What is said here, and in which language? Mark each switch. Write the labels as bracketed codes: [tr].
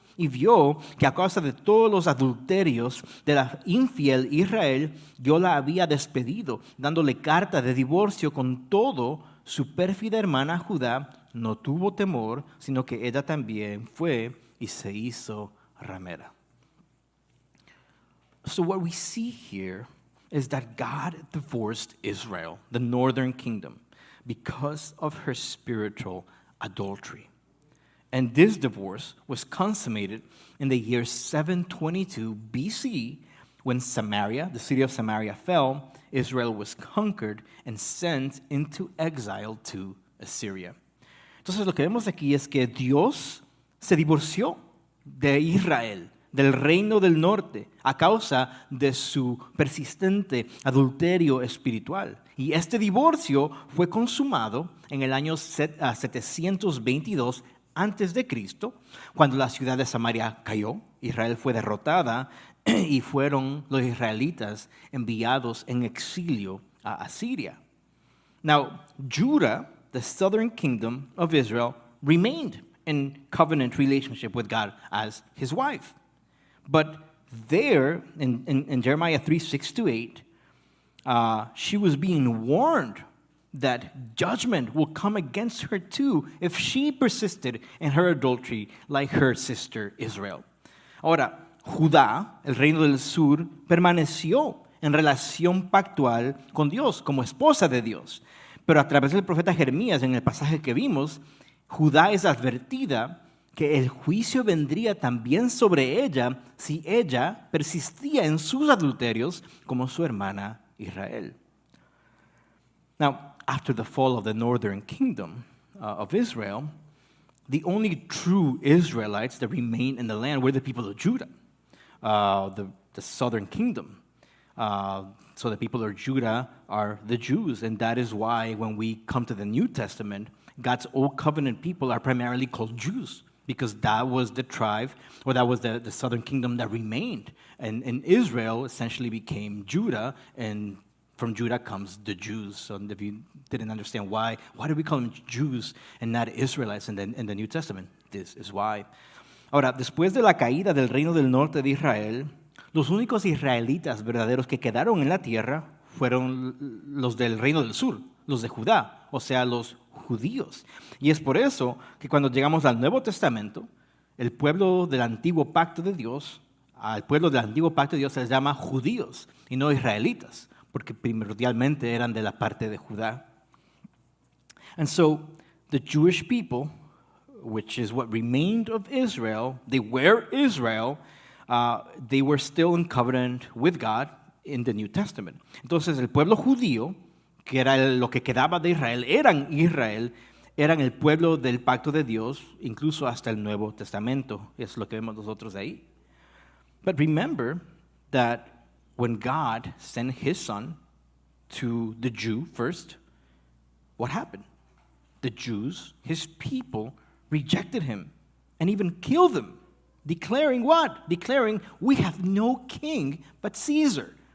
[es] Y vio que a causa de todos los adulterios de la infiel Israel, yo la había despedido, dándole carta de divorcio con todo. Su pérfida hermana Judá no tuvo temor, sino que ella también fue y se hizo ramera. [en] So what we see here is that God divorced Israel, the northern kingdom, because of her spiritual adultery. And this divorce was consummated in the year 722 BC when Samaria, the city of Samaria, fell. Israel was conquered and sent into exile to Assyria. [es] Entonces lo que vemos aquí es que Dios se divorció de Israel, del reino del norte, a causa de su persistente adulterio espiritual. Y este divorcio fue consumado en el año 722 antes de Cristo, cuando la ciudad de Samaria cayó, Israel fue derrotada y fueron los israelitas enviados en exilio a Asiria. [en] Now, Judah, the southern kingdom of Israel, remained in covenant relationship with God as his wife. But there, in Jeremiah 3, 6-8, she was being warned that judgment will come against her too if she persisted in her adultery like her sister Israel. [es] Ahora, Judá, el reino del sur, permaneció en relación pactual con Dios, como esposa de Dios. Pero a través del profeta Jeremías, en el pasaje que vimos, Judá es advertida que el juicio vendría también sobre ella si ella persistía en sus adulterios como su hermana Israel. [en] Now, after the fall of the northern kingdom of Israel, the only true Israelites that remained in the land were the people of Judah, the southern kingdom. So the people of Judah are the Jews, and that is why when we come to the New Testament, God's old covenant people are primarily called Jews, because that was the tribe, or that was the southern kingdom that remained. And Israel essentially became Judah, and from Judah comes the Jews. So if you didn't understand why do we call them Jews and not Israelites in the New Testament, this is why. [es] Ahora, después de la caída del reino del norte de Israel, los únicos israelitas verdaderos que quedaron en la tierra fueron los del reino del sur, los de Judá, o sea, los judíos. Y es por eso que cuando llegamos al Nuevo Testamento, el pueblo del antiguo pacto de Dios, al pueblo del antiguo pacto de Dios se les llama judíos y no israelitas, porque primordialmente eran de la parte de Judá. [en] And so, the Jewish people, which is what remained of Israel, they were Israel, they were still in covenant with God in the New Testament. [es] Entonces, el pueblo judío, que era lo que quedaba de Israel, eran Israel, eran el pueblo del pacto de Dios, incluso hasta el Nuevo Testamento. Es lo que vemos nosotros ahí. [en] But remember that when God sent his son to the Jew first, what happened? The Jews, his people, rejected him and even killed them, declaring what? Declaring, we have no king but Caesar.